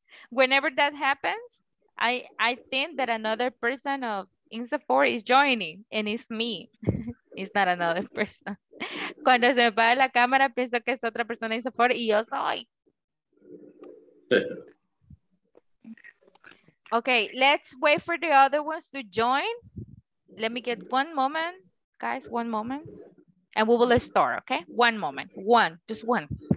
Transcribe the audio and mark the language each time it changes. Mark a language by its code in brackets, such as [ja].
[en] Whenever that happens, I think that another person of INSAFORP is joining, and it's me. It's not another person. [es] Cuando se me paga la cámara, pienso que es otra persona de INSAFORP, y yo soy. [en] Okay, let's wait for the other ones to join. Let me get one moment, guys, one moment. And we will start, okay? One moment, one, just one.